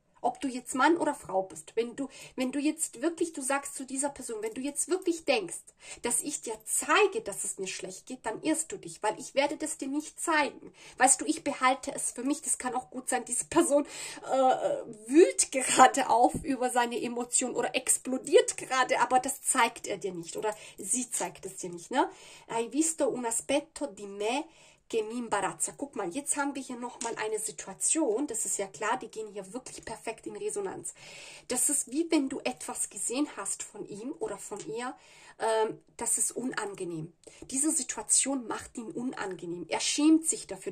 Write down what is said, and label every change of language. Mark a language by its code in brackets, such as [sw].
[de] Ob du jetzt Mann oder Frau bist, wenn du jetzt wirklich, du sagst zu dieser Person, wenn du jetzt wirklich denkst, dass ich dir zeige, dass es mir schlecht geht, dann irrst du dich, weil ich werde das dir nicht zeigen. Weißt du, ich behalte es für mich. Das kann auch gut sein, diese Person wühlt gerade auf über seine Emotionen oder explodiert gerade, aber das zeigt er dir nicht oder sie zeigt es dir nicht. Ne? [it] Hai visto un aspetto di me. [de] Guck mal, jetzt haben wir hier nochmal eine Situation, das ist ja klar, die gehen hier wirklich perfekt in Resonanz. Das ist wie wenn du etwas gesehen hast von ihm oder von ihr, das ist unangenehm. Diese Situation macht ihn unangenehm. Er schämt sich dafür.